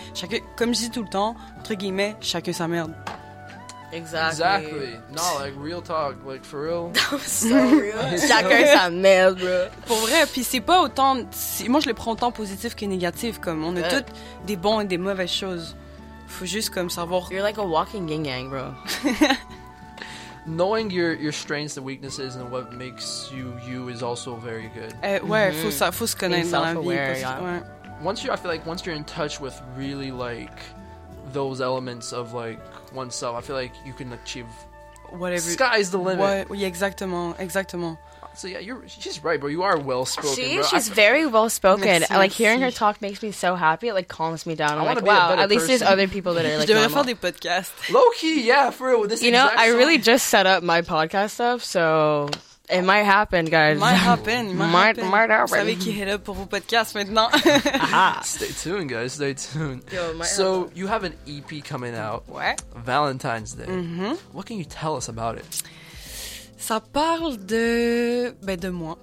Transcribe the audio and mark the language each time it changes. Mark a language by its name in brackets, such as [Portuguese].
[French] chacun, comme je dis tout le temps, entre guillemets, chacun sa merde. [English] Exactly. No, like, real talk. Like, for real. That was so real. [French] Chacun sa mère, [English] bro. [French] Pour vrai, puis c'est pas autant... Moi, je le prends autant positif que négatif. Comme, on a toutes des bons et des mauvaises choses. Faut juste, comme, savoir... [English] You're like a walking yin-yang, bro. Knowing your strengths and weaknesses and what makes you is also very good. [French] Ouais, faut se connaître dans la vie. [English] Once I feel like once you're in touch with really, like, those elements of, like, oneself, I feel like you can achieve whatever. Sky's the limit. Yeah, exactly. So yeah, she's right, bro. You are well spoken. She's very well spoken. Like hearing her talk makes me so happy. It like calms me down. I'm like, wow. At least there's other people that are like. [French] Je devrais faire des podcasts. [English] Low key, yeah, for real. This you know, I really just set up my podcast stuff, so. It might happen, guys. Might happen. [French] Vous savez qui [English] hit up [French] pour vos podcasts maintenant. [English] Stay tuned, guys. Stay tuned. You have an EP coming out. What? Valentine's Day. Mm-hmm. What can you tell us about it? [French] Ça parle de... Ben, de moi.